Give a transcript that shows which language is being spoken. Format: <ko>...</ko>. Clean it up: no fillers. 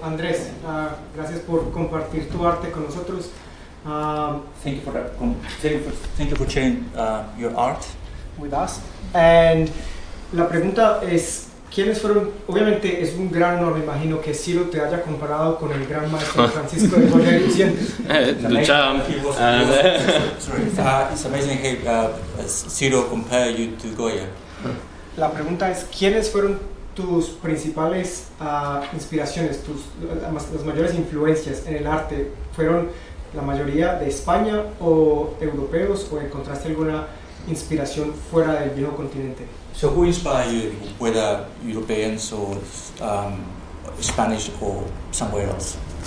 <es>Andrés, gracias por compartir tu arte con nosotros.</es> <en>Thank you for sharing your art with us. And</en> <es>la pregunta es, ¿quiénes fueron? Obviamente es un gran honor, me imagino, que Ciro te haya comparado con el gran maestro Francisco de Jorge Lucien.</es> <en>It's amazing how Ciro compared you to Goya.</en> <es>La pregunta es, ¿quiénes fueron tus principales inspiraciones, tus las mayores influencias en el arte? ¿Fueron la mayoría de España o europeos, o encontraste alguna inspiración fuera del viejo continente?</es> <en>So who inspired you, whether Europeans or Spanish or somewhere else?</en>